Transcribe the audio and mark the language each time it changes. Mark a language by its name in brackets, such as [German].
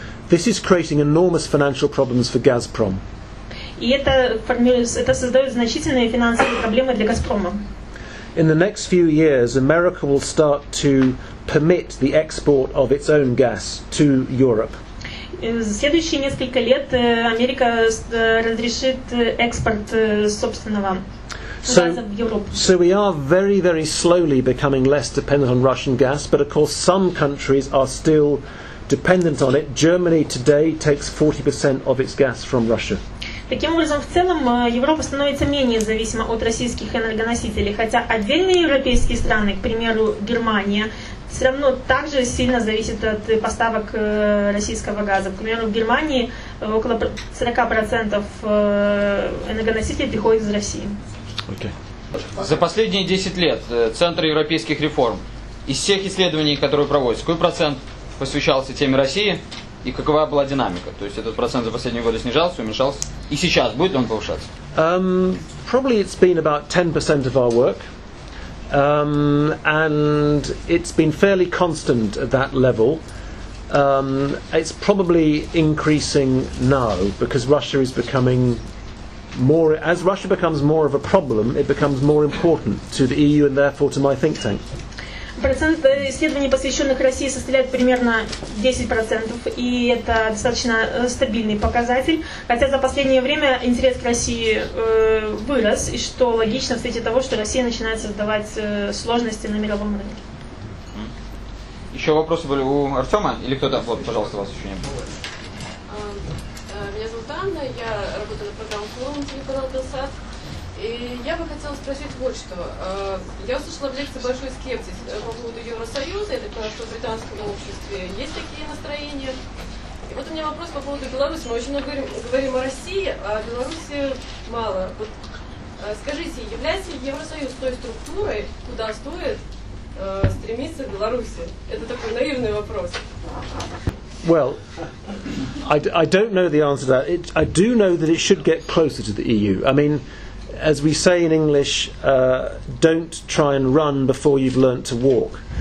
[English] This is creating enormous financial problems for Gazprom. [Russian] И это создает значительные финансовые проблемы для Газпрома. [English] In the next few years, America will start to permit the export of its own gas to Europe. [Russian] За следующие несколько лет Америка разрешит экспорт собственного газа в Европу. [English] So we are very, very slowly becoming less dependent on Russian gas, but of course some countries are still dependent on it. Germany today takes 40% of its gas from Russia. [Russian] Таким образом, в целом, Европа становится менее зависима от российских энергоносителей, хотя отдельные европейские страны, к примеру, Германия, все равно также сильно зависит от поставок российского газа. К примеру, в Германии около 40% энергоносителей приходит из России. [English] Okay. [Russian] За последние 10 лет Центр европейских реформ из всех исследований, которые проводятся, какой процент посвящался теме России? И какова была динамика? То есть этот процент за последние годы снижался, уменьшался? И сейчас будет ли он повышаться? [English] Probably it's been about 10% of our work. And it's been fairly constant at that level. It's probably increasing now, because Russia is becoming more... As Russia becomes more of a problem, it becomes more important to the EU and therefore to my think tank. [Russian] Процент исследований, посвященных России, составляет примерно 10%, и это достаточно стабильный показатель. Хотя за последнее время интерес к России вырос, и что логично в свете того, что Россия начинает создавать сложности на мировом рынке. Еще вопросы были у Артема или кто-то? Вот, пожалуйста, вас еще не было. Меня зовут Анна, я работаю на программе «Клон», телеканал «Белсат». И я бы хотела спросить вот что. Я услышала в лекции большой скептиз по поводу Евросоюза, это потому что в британском обществе есть такие настроения. И вот у меня вопрос по поводу Беларуси. Мы очень много говорим о России, а Беларуси мало. Вот скажите, является ли Евросоюз той структурой, куда стоит стремиться в Беларуси? Это такой наивный вопрос. [English] Well, I don't know the answer to that. I do know that it should get closer to the EU. I mean, as we say in English, don't try and run before you've learnt to walk.